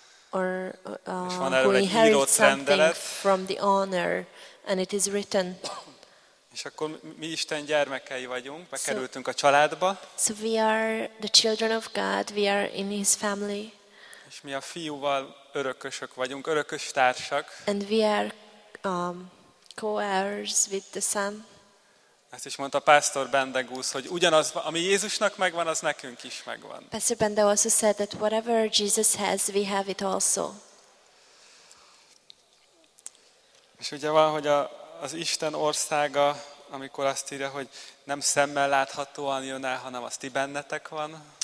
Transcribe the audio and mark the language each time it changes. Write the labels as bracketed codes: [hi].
[hu] Or van erről egy írott rendelet. [en] From the owner and it is written. [hu] És akkor mi Isten gyermekei vagyunk, bekerültünk a családba. [en] So we are the children of God, we are in his family. [hu] És mi a fiúval örökösök vagyunk, örökös társak. [en] And we are co-heirs with the son. [hu] Ezt is mondta Pastor Bendegúz, hogy ugyanaz, ami Jézusnak megvan, az nekünk is megvan. [en] Pastor Bendegúz also said that whatever Jesus has, we have it also. [hu] És ugye van, hogy az Isten országa, amikor azt írja, hogy nem szemmel láthatóan jön el, hanem az ti bennetek van.